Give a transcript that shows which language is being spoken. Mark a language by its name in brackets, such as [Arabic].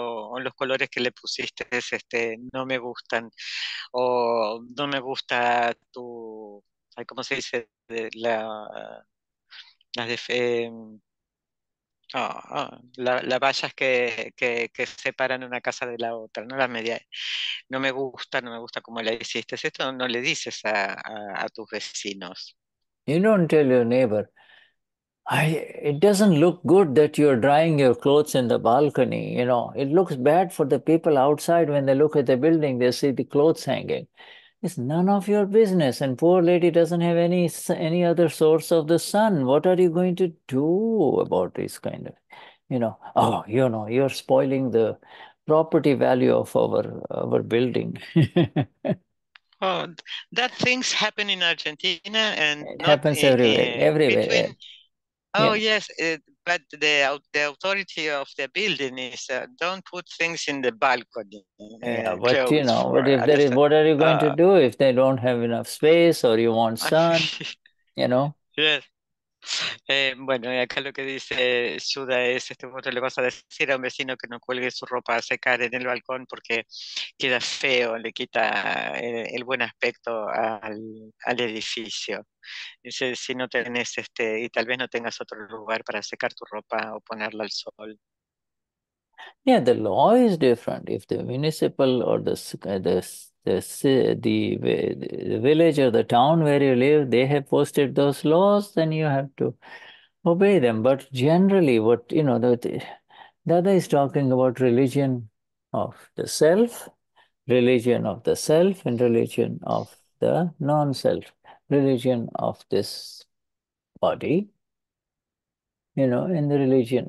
[Spanish] O los colores que le pusiste, no me gustan, o no me gusta tu, ¿cómo se dice? Las vallas que separan una casa de la otra, ¿no? La media, no me gusta cómo la hiciste. Esto no le dices a tus vecinos. [English] You don't tell your neighbor, it doesn't look good that you're drying your clothes in the balcony, you know. It looks bad for the people outside when they look at the building, they see the clothes hanging. It's none of your business, and poor lady doesn't have any other source of the sun. What are you going to do about this kind of, you know? Oh, you know, you're spoiling the property value of our building. Oh, that things happen in Argentina, and it not happens everywhere. Everywhere. Between, oh yeah. Yes, but the authority of the building is don't put things in the balcony. Yeah, but you know, but if there is, what are you going to do if they don't have enough space or you want sun? You know. Yes. [Spanish] Bueno, y acá lo que dice Suda es, este momento le vas a decir a un vecino que no cuelgue su ropa a secar en el balcón porque queda feo, le quita el buen aspecto al edificio. Dice, si no tenés este, y tal vez no tengas otro lugar para secar tu ropa o ponerla al sol. [English] Yeah, the law is different. If the municipal or the village or the town where you live, they have posted those laws, then you have to obey them. But generally, what, you know, the Dada is talking about religion of the self, religion of the self, and religion of the non-self, religion of this body, you know, in the religion.